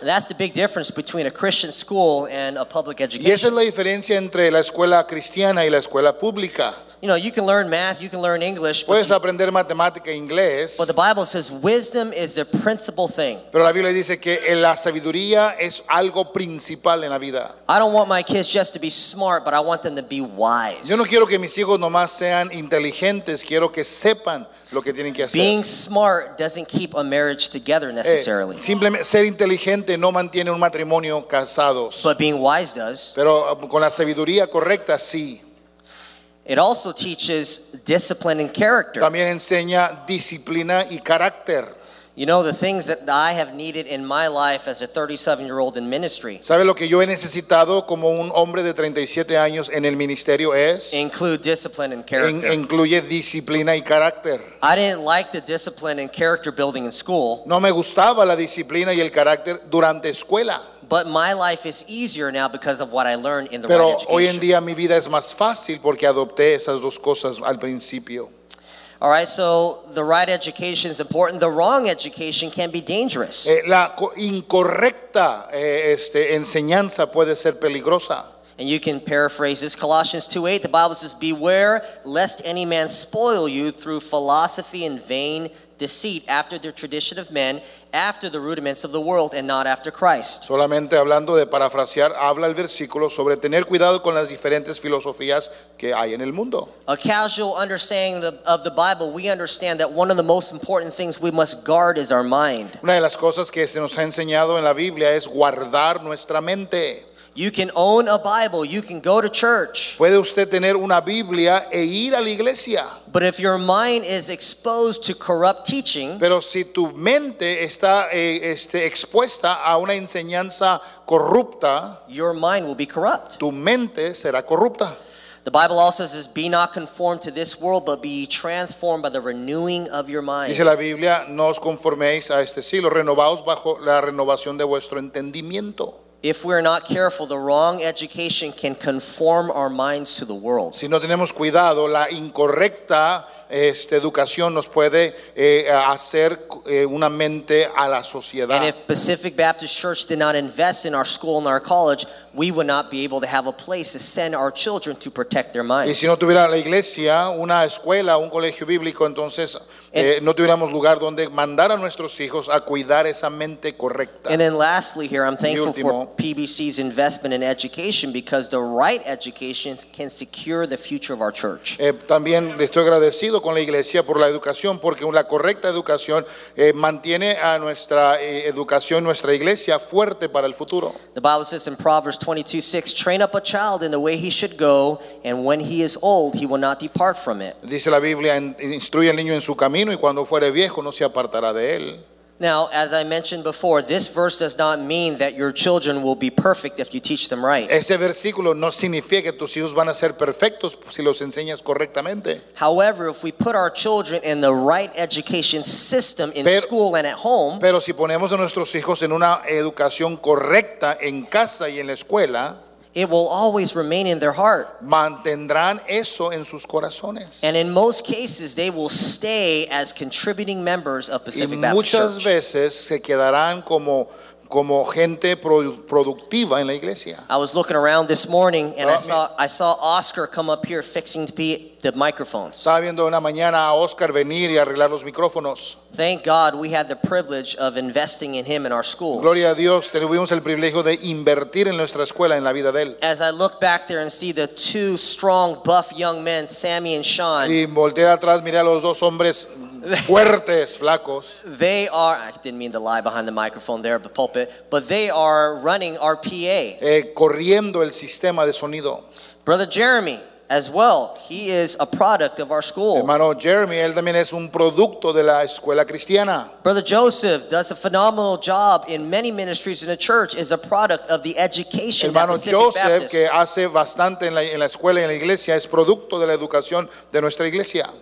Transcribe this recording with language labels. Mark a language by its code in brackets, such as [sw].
[en] That's the big difference between a Christian school and a public education. [es] Y esa es la diferencia entre la escuela cristiana y la escuela pública. [en] You know, you can learn math, you can learn English. [es] Puedes aprender matemática e inglés. [en] But the Bible says wisdom is the principal thing. [es] Pero la Biblia dice que la sabiduría es algo principal en la vida. [en] I don't want my kids just to be smart, but I want them to be wise. [es] Yo no quiero que mis hijos nomás sean inteligentes, quiero que sepan lo que tienen que hacer. [en] Being smart doesn't keep a marriage together necessarily. [es] Simplemente ser inteligente no mantiene un matrimonio casados. [en] But being wise does. [es] Pero con la sabiduría correcta sí. [en] It also teaches discipline and character. [es] También enseña disciplina y carácter. [en] You know, the things that I have needed in my life as a 37-year-old in ministry. [es] ¿Sabe lo que yo he necesitado como un hombre de 37 años en el ministerio es? [en] Include discipline and character. [es] Incluye disciplina y carácter. [en] I didn't like the discipline and character building in school. [es] No me gustaba la disciplina y el carácter durante escuela. [en] But my life is easier now because of what I learned in the [es] Pero [en] right education. [es] Hoy en día mi vida es más fácil porque adopté esas dos cosas al principio. [en] All right, so the right education is important. The wrong education can be dangerous. [es] La incorrecta enseñanza puede ser peligrosa. [en] And you can paraphrase this. Colossians 2:8, the Bible says, beware lest any man spoil you through philosophy and vain deceit after the tradition of men, after the rudiments of the world, and not after Christ. [es] Solamente hablando de parafrasear, habla el versículo sobre tener cuidado con las diferentes filosofías que hay en el mundo. [en] A casual understanding of the Bible, we understand that one of the most important things we must guard is our mind. [es] Una de las cosas que se nos ha enseñado en la Biblia es guardar nuestra mente. [en] You can own a Bible, you can go to church. [es] Puede usted tener una Biblia e ir a la iglesia. [en] But if your mind is exposed to corrupt teaching, [es] pero si tu mente está expuesta a una enseñanza corrupta, [en] your mind will be corrupt. [es] Tu mente será corrupta. [en] The Bible also says, be not conformed to this world, but be transformed by the renewing of your mind. [es] Dice la Biblia, no os conforméis a este siglo, renovaos bajo la renovación de vuestro entendimiento. [en] If we are not careful, the wrong education can conform our minds to the world. [es] Si no tenemos cuidado, la incorrecta educación nos puede hacer una mente a la sociedad. [en] And if Pacific Baptist Church did not invest in our school and our college, we would not be able to have a place to send our children to protect their minds. [es] Y si no tuviera la iglesia, una escuela, un colegio bíblico, entonces no tuviéramos lugar donde mandar a nuestros hijos a cuidar esa mente correcta. [en] And then lastly here, I'm thankful for PBC's investment in education because the right education can secure the future of our church. [es] También le estoy agradecido acuerdo con la iglesia por la educación, porque la correcta educación mantiene a nuestra educación, nuestra iglesia fuerte para el futuro. [en] The Bible says in Proverbs 22:6, train up a child in the way he should go, and when he is old, he will not depart from it. [es] Dice la Biblia, instruye al niño en su camino, y cuando fuere viejo, no se apartará de él. [en] Now, as I mentioned before, this verse does not mean that your children will be perfect if you teach them right. [es] Ese versículo no significa que tus hijos van a ser perfectos si los enseñas correctamente. [en] However, if we put our children in the right education system in school and at home, [es] pero si ponemos a nuestros hijos en una educación correcta en casa y en la escuela, [en] it will always remain in their heart. [es] Mantendrán eso en sus corazones. [en] And in most cases, they will stay as contributing members of Pacific Baptist Church. [es] Y muchas veces se quedarán como gente productiva en la iglesia. [en] I was looking around this morning and I saw Oscar come up here fixing the microphones. [es] Estaba viendo una mañana a Oscar venir y arreglar los micrófonos. [en] Thank God we had the privilege of investing in him in our schools. [es] Gloria a Dios, tuvimos el privilegio de invertir en nuestra escuela, en la vida de él. [en] As I look back there and see the two strong, buff young men, Sammy and Sean. [es] Y volteé atrás, miré a los dos hombres fuertes, flacos. [en] They are, I didn't mean to lie behind the microphone there, the pulpit, but they are running our PA. [es] Corriendo el sistema de sonido. [en] Brother Jeremy, as well, he is a product of our school. [es] Hermano Jeremy, él también es un producto de la escuela cristiana. [en] Brother Joseph does a phenomenal job in many ministries in the church, is a product of the education. [es] Hermano [en] that Pacific [es] Joseph, [en] Baptist. [es] Que hace bastante en la escuela y en la iglesia, es producto de la educación de nuestra iglesia.